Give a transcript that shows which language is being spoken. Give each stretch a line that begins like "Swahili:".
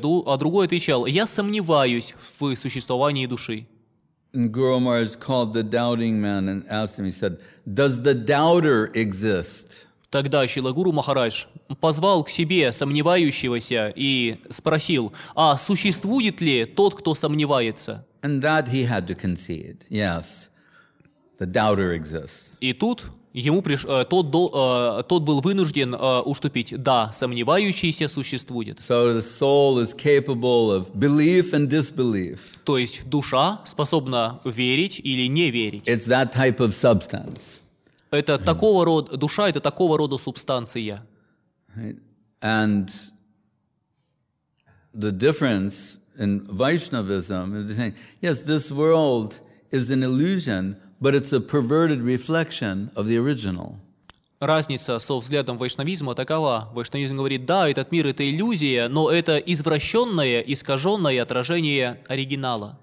Russian: А другой отвечал, я сомневаюсь в существовании души.
English: Гуру Махарадж called the doubting man and asked him, he said, does the doubter exist?
Russian: Тогда Шрила Гуру Махарадж позвал к себе сомневающегося и спросил, а существует ли тот, кто сомневается?
English: And that he had to concede. Yes, the doubter exists.
Russian: И тут ему тот был вынужден уступить. Да, сомневающийся существует.
English: So the soul is capable of belief and disbelief.
Russian: То есть душа способна верить или не верить.
English: It's that type of substance.
Russian: Это такого рода душа, это такого рода субстанция.
English: And the difference in Vaishnavism is saying, yes, this world is an illusion, but it's a perverted reflection of the original.
Russian: Разница со взглядом вайшнавизма такова. Вайшнавизм говорит, да, этот мир — это иллюзия, но это извращенное, искаженное отражение оригинала.